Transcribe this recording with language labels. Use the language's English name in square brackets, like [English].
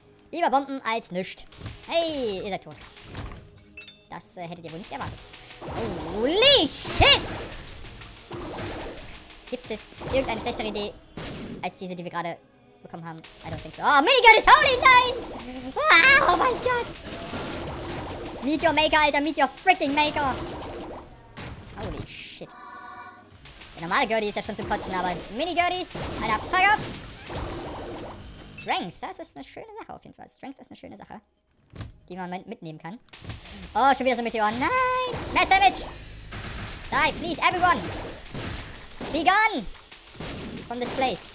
[German] Lieber Bomben als nüscht. Hey, ihr seid tot. Das hättet ihr wohl nicht erwartet. [English] Holy shit! [German] Gibt es irgendeine schlechtere Idee als diese, die wir gerade bekommen haben? [English] I don't think so. [German] Oh, Minigun ist holy, nein! Wow, oh mein Gott! [English] Meet your maker, Alter, meet your freaking maker! Holy shit. [German] Der normale Gertie ist ja schon zum Kotzen, aber Minigurties, Alter, fuck off! Strength, das ist eine schöne Sache auf jeden Fall. Strength ist eine schöne Sache, die man mitnehmen kann. Oh, schon wieder so ein Meteor. [English] Nein! Mass Damage! Die, please, everyone! Be gone! From this place.